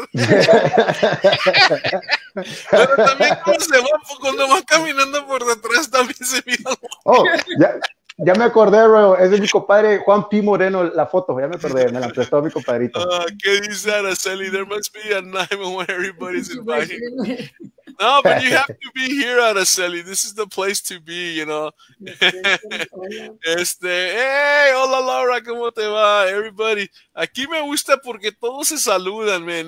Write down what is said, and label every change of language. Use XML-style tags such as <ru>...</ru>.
<es>Pero también cuando van caminando por detrás también se miran. Oh, ya. Ya me acordé, bro. Es de mi compadre Juan P. Moreno, la foto. Ya me acordé, me la prestó mi compadrito. ¿Qué dice Araceli?</es> <en>There must be a 911 when everybody's invited. No, but you have to be here, Araceli. This is the place to be, you know.</en> <es>Hey, hola, Laura, ¿cómo te va? Everybody, aquí me gusta porque todos se saludan, man.</es>